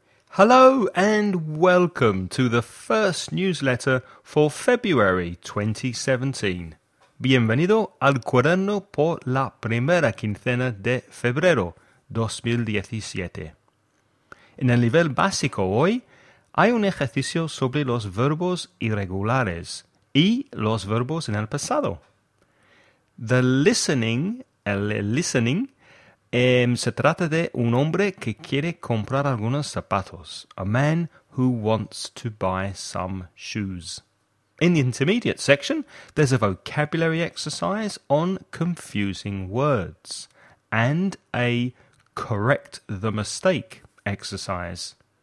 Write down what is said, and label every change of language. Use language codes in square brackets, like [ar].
[en] Hello and welcome to the first newsletter for February 2017. [es] Bienvenido al cuaderno por la primera quincena de febrero 2017. En el nivel básico hoy hay un ejercicio sobre los verbos irregulares y los verbos en el pasado. El listening, se trata de un hombre que quiere comprar algunos zapatos. [en] A man who wants to buy some shoes. In the intermediate section, there's a vocabulary exercise on confusing words and a correct the mistake exercise.